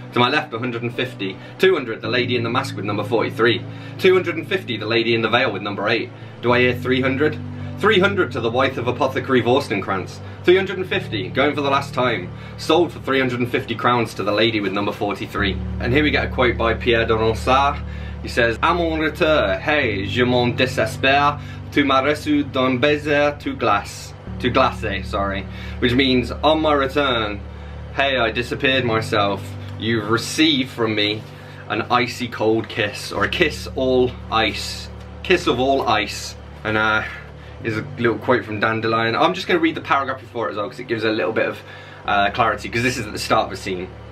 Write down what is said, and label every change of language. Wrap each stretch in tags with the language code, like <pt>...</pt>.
<en>To my left, 150. 200, the lady in the mask with number 43. 250, the lady in the veil with number 8. Do I hear 300? 300 to the wife of apothecary Vorstenkrantz. 350, going for the last time. Sold for 350 crowns to the lady with number 43. And here we get a quote by Pierre de Ronsard. He says,</en> <fr>A mon retour, hey, je m'en désespère, tu m'as reçu d'un baiser tout glace. Tout glacé,</fr> <en>sorry. Which means, on my return, hey, I disappeared myself. You've received from me an icy cold kiss, or a kiss all ice. Kiss of all ice. And, is a little quote from Dandelion. I'm just going to read the paragraph before it as well because it gives a little bit of clarity because this is at the start of a scene.</en>